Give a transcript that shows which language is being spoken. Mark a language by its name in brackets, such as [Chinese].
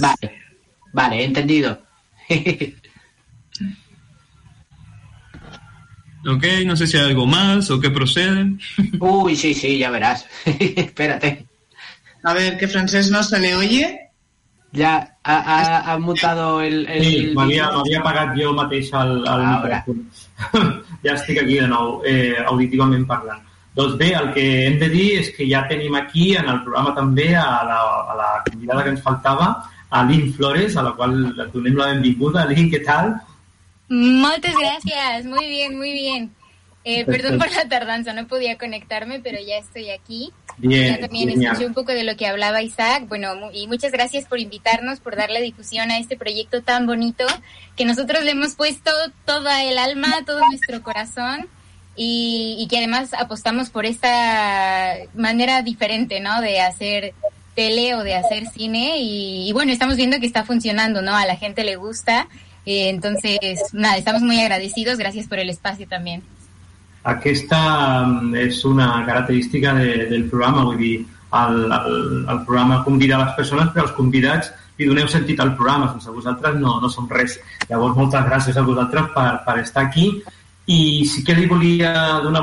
[Spanish] Vale, vale, entendido. Ok, no sé si hay algo más o qué procede. Uy, sí, sí, ya verás. Espérate. A ver, ¿qué francés no se le oye? Ya ha mutado el... [Catalan] Sí, m'havia apagat jo mateix al micròfon. Ja estic aquí de nou, auditivament parlant. Doncs bé, el que hem de dir és que ja tenim aquí en el programa també a la convidada que ens faltava, a Lynn Flores, a la qual donem la benvinguda. Lynn, què tal? Moltes gràcies, [Spanish] muy bien, muy bien. Perdón por la tardanza, no podía conectarme, pero ya estoy aquí. Bien, también escuché un poco de lo que hablaba Isaac. Bueno, y muchas gracias por invitarnos, por darle difusión a este proyecto tan bonito que nosotros le hemos puesto toda el alma, todo nuestro corazón y que además apostamos por esta manera diferente, ¿no? De hacer tele o de hacer cine y bueno, estamos viendo que está funcionando, ¿no? A la gente le gusta. Entonces, nada, estamos muy agradecidos. Gracias por el espacio también. [Catalan] Aquesta és una característica del programa, vull dir, el programa convida les persones, però els convidats li doneu sentit al programa, sense vosaltres no som res. Llavors, moltes gràcies a vosaltres per estar aquí. I sí que li volia donar...